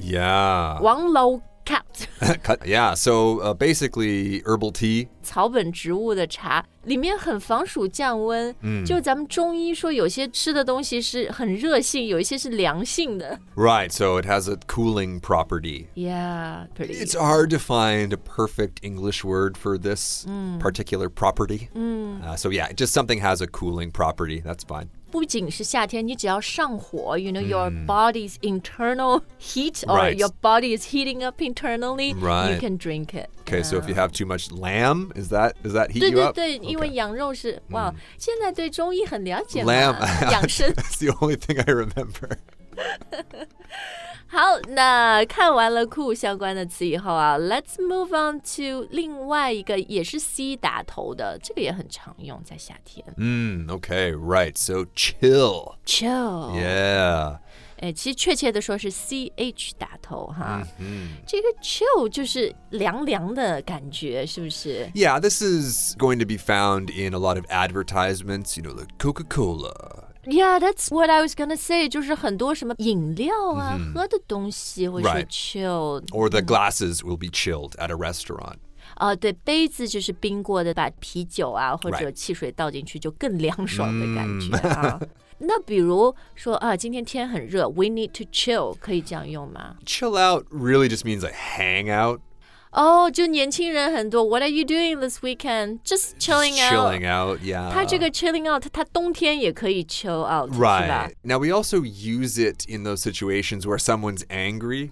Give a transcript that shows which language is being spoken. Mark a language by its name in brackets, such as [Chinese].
[English] Yeah. [Chinese] 王老 cut. [English] cut, yeah. So basically herbal tea. [Chinese] 草本植物的茶，里面很防暑降温。就咱们中医说有些吃的东西是很热性，有一些是凉性的。 [English] Right, so it has a cooling property. Yeah, pretty. It's hard to find a perfect English word for this particular property. So yeah, just something has a cooling property, that's fine. [Chinese] 不仅是夏天，你只要上火 [English] you know, your body's internal heat or your body is heating up internally, you can drink it. Okay, so if you have too much lamb, does that heat you up? [Chinese] 对对对，因为羊肉是哇，现在对中医很了解嘛。 [English] Lamb, [Chinese] 养生。 [English] That's the only thing I remember. [Chinese] 好，那看完了 cool 相关的词以后啊 ， [English] Let's move on to [Chinese] 另外一个也是 C 打头的，这个也很常用在夏天。 [English] Okay, right. So chill. Chill. Yeah. [Chinese] 哎，其实确切的说是 CH 打头哈。这个 chill 就是凉凉的感觉，是不是 [English] ？Yeah, this is going to be found in a lot of advertisements. You know, the Coca-Cola. Yeah, that's what I was going to say. [Chinese] 就是很多什么饮料啊、喝的东西会是 chilled. [English] Right. Or the glasses will be chilled at a restaurant. [Chinese] 对，杯子就是冰过的，把啤酒啊或者汽水倒进去就更凉爽的感觉啊。那比如说啊，今天天很热 ， [English] we need to chill， [Chinese] 可以这样用吗 [English] ？Chill out really just means like hang out. Oh, [Chinese] 就年轻人很多。 [English] What are you doing this weekend? Just chilling out. Chilling out, yeah. [Chinese] 它这个 chilling out, 它冬天也可以 chill out, [English] right. [Chinese] 是吧? [English] Now, we also use it in those situations where someone's angry.